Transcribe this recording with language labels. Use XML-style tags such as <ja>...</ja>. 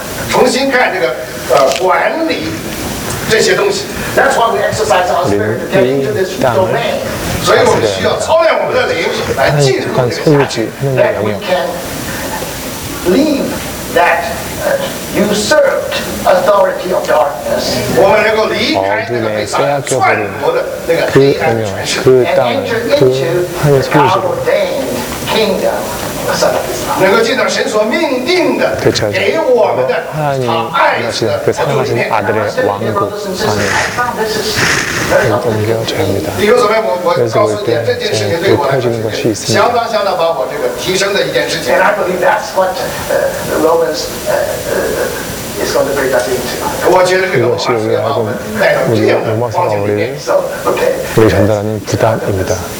<zh>重新看这个管理这些东西</zh> <en>That's why we exercise our spirit to get into this domain</en> <zh>所以我们需要操练我们的灵来进入这个辖区</zh> <en>That we can leave that usurped authority of darkness</en> <zh>我们能够离开这个被撒旦篡夺的那个黑暗权势</zh> <en>And enter into God ordained kingdom</en> <zh>能够进到神所命定的给我们的他爱的国里面</zh> <ko>하나님그사랑하신아들의왕국안에옮겨져야합니다</ko> <zh>弟兄姊妹我告诉你这件事情对我相当相当把我这个提升的一件事情</zh> <en>And I believe that's what Romans is</en> <ko>이것이 우리 알고 우리 오마사와 우리 전달하는 부담입니다.</ko>